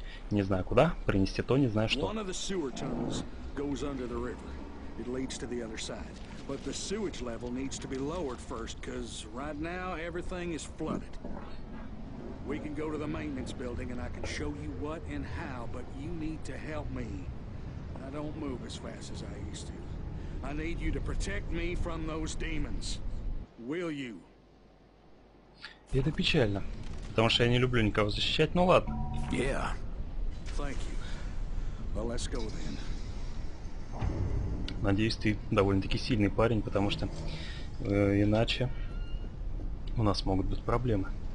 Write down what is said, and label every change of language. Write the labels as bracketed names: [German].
[Russian] Не знаю куда, принести то, не знаю что. [English] One of the sewer tunnels goes under the river. It leads to the other side. But the sewage level needs to be lowered first, because right now everything is flooded. We can go to the maintenance building and I can show you what and how, but you need to help me. I don't move as fast as I used to. I need you to protect me from those demons. Will you? [Russian] Это печально. Потому что я не люблю никого защищать, ну ладно. [English] Yeah. Thank you. Well, let's go then. [Russian] Надеюсь, ты довольно-таки сильный парень, потому что иначе у нас могут быть проблемы.